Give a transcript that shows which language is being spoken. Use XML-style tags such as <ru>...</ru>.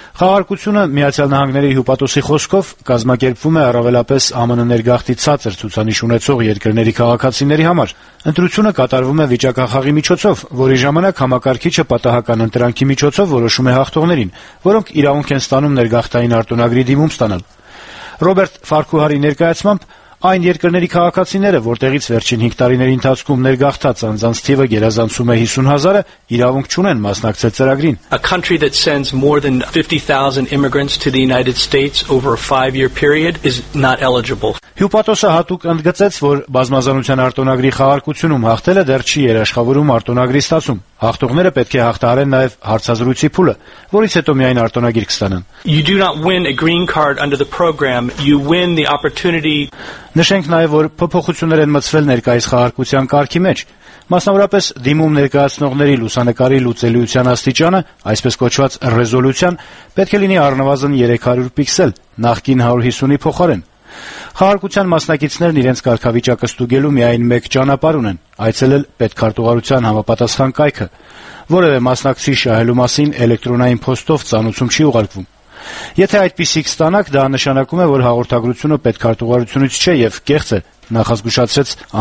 <hy>Խաղարկությունը, Միացյալ Նահանգների հյուպատոսի խոսքով, կազմակերպվում է առավելապես ԱՄՆ ներգաղթի ցածր ցուցանիշ ունեցող երկրների քաղաքացիների համար։ Ընտրությունը կատարվում է վիճակախաղի միջոցով, որի ժամանակ համակարգիչը պատահական ընտրանքի միջոցով որոշում է հաղթողներին, որոնք իրավունք են ստանում ներգաղթային արտոնագրի դիմում ստանալ։ Ռոբերտ Ֆարքուհարի ներկայացմամբ այն երկրների քաղաքացիները, որտեղից վերջին 5 տարիների ընթացքում ներգաղթած անձանց թիվը գերազանցում է 50,000-ը, իրավունք չունեն մասնակցել ծրագրին։</hy> <en>A country that sends more than 50,000 immigrants to the United States over a 5-year period is not eligible.</en> <hy>Հյուպատոսը հատուկ ընդգծեց, որ բազմազանության արտոնագրի խաղարկությունում հաղթելը դեռ չի երաշխավորում արտոնագրի ստացում։ Հաղթողները պետք է հաղթահարեն նաև հարցազրույցի փուլը, որից հետո միայն արտոնագիր կստանան։</hy> <en>You do not win a green card under the program, you win the opportunity.</en> <hy>Նշենք նաև, որ փոփոխություններ են մցվել ներկայիս խաղարկության կարգի մեջ, մասնավորապես դիմում ներկայացնողների լուսանկարի լուծելիության աստիճանը, այսպես կոչված ռեզոլյուցիան, պետք է լինի առնվազն 300 պիքսել, նախկին 150-ի փոխարեն։ Խաղարկության մասնակիցներն իրենց կարգավիճակը ստուգելու միայն մեկ ճանապարհ ունեն՝ այցելել պետքարտուղարության համապատասխան կայքը, որևէ մասնակցի շահելու մասին էլեկտրոնային փոստով ցանուցում չի ուղարկվում։ Եթե այդպեսիք ստանաք, դա նշանակում է, որ հաղորդագրությունը պետքարտուղարությունից չէ եւ կեղծ է, նախազգուշացրեց</hy>